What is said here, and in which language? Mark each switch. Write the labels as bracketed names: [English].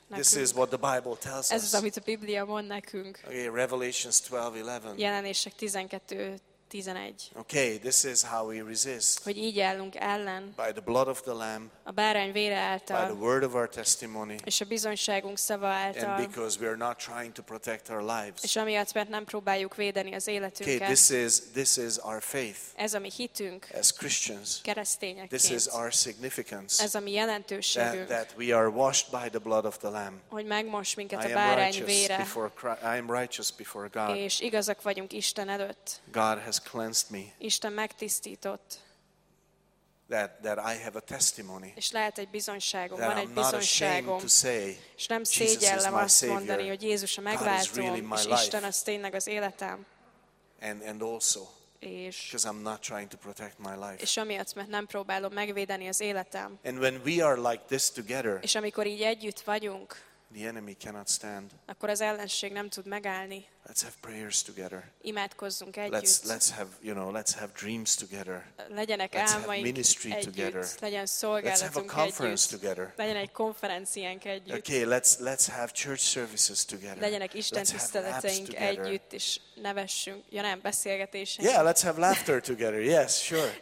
[English] This is what the Bible tells us. [Hungarian] Ez az, amit a Biblia mond nekünk. [English] Okay, Revelations 12:11. [Hungarian] Jelenések 12:11. [English] Okay, this is how we resist. [Hungarian] Hogy így állunk ellen. [English] By the blood of the Lamb. [Hungarian] A bárány vére által. [English] By the word of our testimony. [Hungarian] És a bizonyságunk szava által. [English] And because we are not trying to protect our lives. [Hungarian] És amiatt, mert nem próbáljuk védeni az életünket. [English] Okay, this is our faith. [Hungarian] Ez a mi hitünk. [English] As Christians. [Hungarian] Keresztényekként. [English] This is our significance. [Hungarian] Ez a mi jelentőségünk. [English] That we are washed by the blood of the Lamb. [Hungarian] Hogy megmos minket a bárány vére. [English] I am righteous before God. [Hungarian] És igazak vagyunk Isten előtt. [English] God has cleansed me. [Hungarian] Isten megtisztított. [English] That I have a testimony. [Hungarian] És lehet egy bizonyságom, [English] that [Hungarian] van egy bizonyságom. És nem szégyellem azt mondani, hogy Jézus a megváltó, [English] really [Hungarian] és Isten az tényleg az életem. [English] And also, [Hungarian] és [English] because I'm not trying to protect my life. [Hungarian] És amiatt, mert nem próbálom megvédeni az életem. [English] And when we are like this together, [Hungarian] és amikor így együtt vagyunk, [English] The enemy cannot stand. [Hungarian] Akkor az ellenség nem tud megállni. [English] Let's have prayers together. [Hungarian] Imádkozzunk együtt. [English] Let's have, you know, let's have dreams together. [Hungarian] Legyenek álmaink ministry együtt. [English] Together. [Hungarian] Legyen szolgálatunk [English] let's have a conference [Hungarian] együtt. [English] Together. [Hungarian] Legyen egy konferenciánk együtt. [English] Okay, let's have church services together. [Hungarian] Legyenek istentiszteleteink együtt, és nevessünk. Ja nem, beszélgetéseink. [English] Yeah, let's have laughter together. Yes, sure.